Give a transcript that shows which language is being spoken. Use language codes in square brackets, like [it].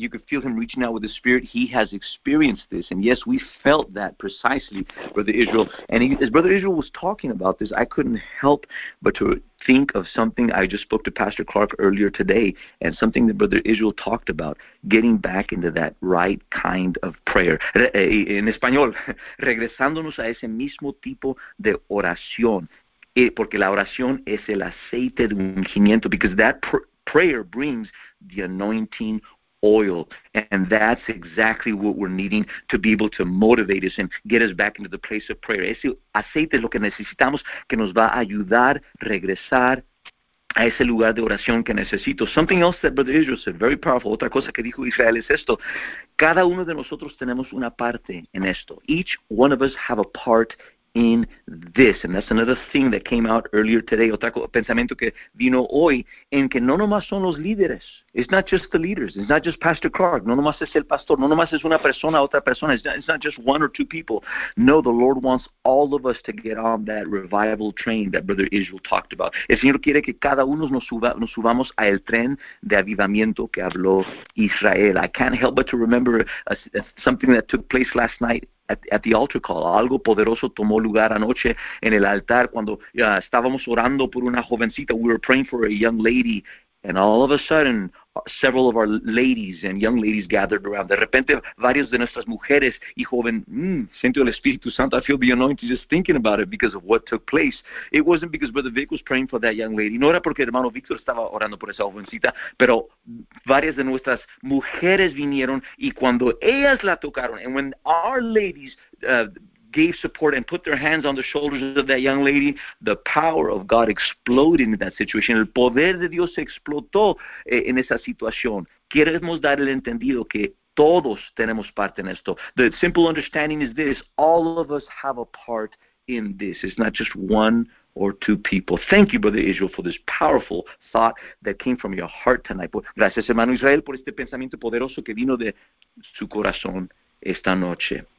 [en] You could feel him reaching out with the Spirit. He has experienced this." And yes, we felt that precisely, Brother Israel. And as Brother Israel was talking about this, I couldn't help but to think of something. I just spoke to Pastor Clark earlier today, and something that Brother Israel talked about, getting back into that right kind of prayer. [es] En español, regresándonos a ese mismo tipo de oración. Porque la oración es el aceite de ungimiento, [en] because that prayer brings the anointing oil, and that's exactly what we're needing to be able to motivate us and get us back into the place of prayer. [es] Ese aceite es lo que necesitamos que nos va a ayudar regresar a ese lugar de oración que necesito. [en] Something else that Brother Israel said, very powerful. [es] Otra cosa que dijo Israel es esto. Cada uno de nosotros tenemos una parte en esto. [en] Each one of us have a part in this, and that's another thing that came out earlier today, [es] otro pensamiento que vino hoy, en que no nomás son los líderes, [en] it's not just the leaders, it's not just Pastor Clark, [es] no nomás es el pastor, no nomás es una persona, otra persona, [en] it's not just one or two people. No, the Lord wants all of us to get on that revival train that Brother Israel talked about. [es] El Señor quiere que cada uno nos subamos a el tren de avivamiento que habló Israel. [en] I can't help but to remember something that took place last night at the altar call. [es] Algo poderoso tomó lugar anoche en el altar cuando estábamos orando por una jovencita. [en] We were praying for a young lady, And all of a sudden, several of our ladies and young ladies gathered around. [es] De repente, varios de nuestras mujeres y joven, siento el Espíritu Santo, [en] I feel the anointing just thinking about it because of what took place. It wasn't because Brother Vic was praying for that young lady. [es] No era porque hermano Víctor estaba orando por esa jovencita, pero varias de nuestras mujeres vinieron y cuando ellas la tocaron, [en] and when our ladies gave support and put their hands on the shoulders of that young lady, the power of God exploded in that situation. [es] El poder de Dios explotó en esa situación. Queremos dar el entendido que todos tenemos parte en esto. [en] The simple understanding is this: all of us have a part in this. It's not just one or two people. Thank you, Brother Israel, for this powerful thought that came from your heart tonight. [es] Gracias, hermano Israel, por este pensamiento poderoso que vino de su corazón esta noche.